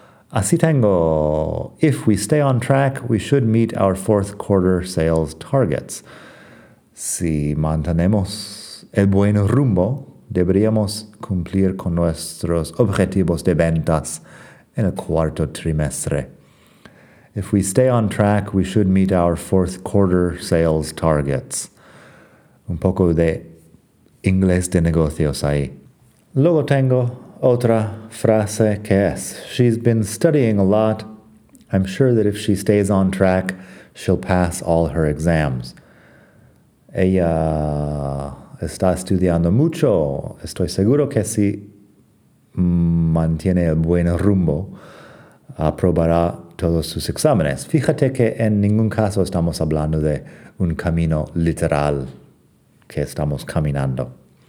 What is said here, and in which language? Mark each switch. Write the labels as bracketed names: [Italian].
[Spanish] Así tengo, [English] if we stay on track, we should meet our fourth quarter sales targets. [Spanish] Si mantenemos el buen rumbo, deberíamos cumplir con nuestros objetivos de ventas en el cuarto trimestre. [English] If we stay on track, we should meet our fourth quarter sales targets. [Spanish] Un poco de inglés de negocios ahí. Luego tengo otra frase que es, [English] she's been studying a lot. I'm sure that if she stays on track, she'll pass all her exams. [Spanish] Ella está estudiando mucho. Estoy seguro que si mantiene el buen rumbo, aprobará todos sus exámenes. Fíjate que en ningún caso estamos hablando de un camino literal que estamos caminando.